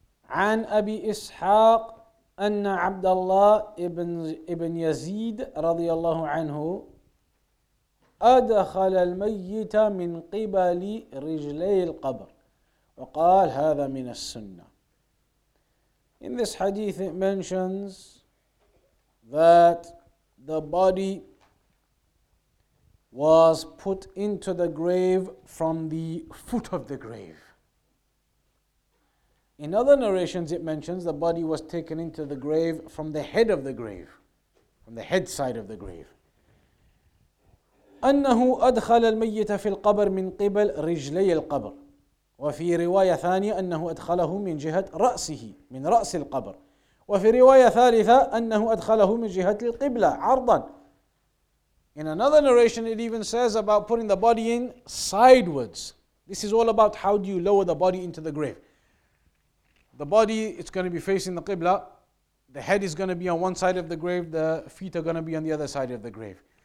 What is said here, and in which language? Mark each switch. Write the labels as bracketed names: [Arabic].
[Arabic] عن أبي إسحاق أن عبد الله ابن يزيد رضي الله عنه أدخل الميت من قبل رجلي القبر وقال هذا من السنة. [English] In this hadith it mentions that the body was put into the grave from the foot of the grave. In other narrations it mentions the body was taken into the grave from the head of the grave, from the head side of the grave. [Arabic] أنه أدخل الميت في القبر من قبل رجلي القبر وفي رواية ثانية أنه أدخله من جهة رأسه من رأس القبر وفي رواية ثالثة أنه أدخله من جهة القبلة عرضا. [English] In another narration, it even says about putting the body in sidewards. This is all about how do you lower the body into the grave. The body, it's going to be facing the Qibla. The head is going to be on one side of the grave. The feet are going to be on the other side of the grave.